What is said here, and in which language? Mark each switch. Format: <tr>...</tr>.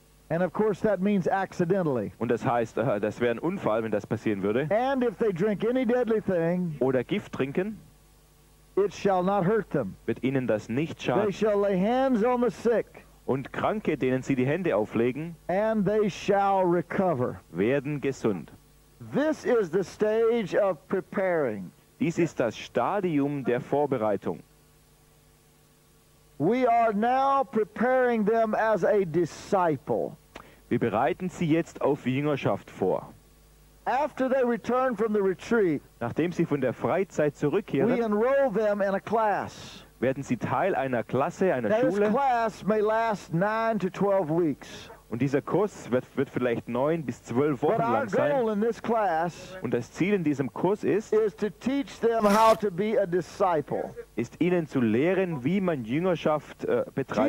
<en>and of course that means accidentally.</en> <de>Und das heißt, das wäre ein Unfall, wenn das passieren würde.</de> <en>And if they drink any deadly thing,</en> <de>oder Gift trinken,</de> <en>it shall not hurt them.</en> <de>Wird ihnen das nicht schaden.</de> <en>They shall lay hands on the sick,</en> <de>und Kranke, denen sie die Hände auflegen,</de> <en>and they shall recover.</en> <de>Werden gesund.</de> <en>This is the stage of preparing.</en> <de>Dies ist das Stadium der Vorbereitung.</de> <en>We are now preparing them as a disciple.</en> <de>Wir bereiten sie jetzt auf Jüngerschaft vor.</de> <en>After they return from the retreat,</en> <de>nachdem sie von der Freizeit zurückkehren,</de> <en>we enroll them in a class.</en> <de>Werden sie Teil einer Klasse, einer</de> <en>Now</en> <de>Schule.</de> <en>This class may last 9 to 12 weeks.</en> <de>Und dieser Kurs wird vielleicht 9 bis 12 Wochen lang sein. Und das Ziel in diesem Kurs ist ihnen zu lehren, wie man Jüngerschaft betreibt.</de>